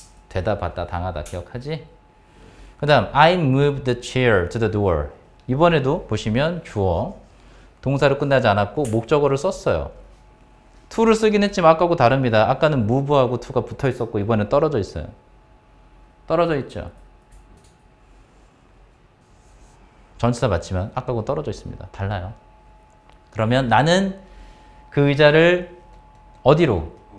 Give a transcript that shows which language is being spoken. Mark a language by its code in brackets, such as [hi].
[ko] 되다 받다 당하다 기억하지? 그 다음 [en] I moved the chair to the door. [ko] 이번에도 보시면 주어 동사로 끝나지 않았고 목적어를 썼어요. to를 쓰긴 했지만 아까하고 다릅니다. 아까는 move하고 to가 붙어 있었고 이번엔 떨어져 있어요. 떨어져 있죠. 전치사 맞지만 아까하고 떨어져 있습니다. 달라요. 그러면 나는 그 의자를 어디로?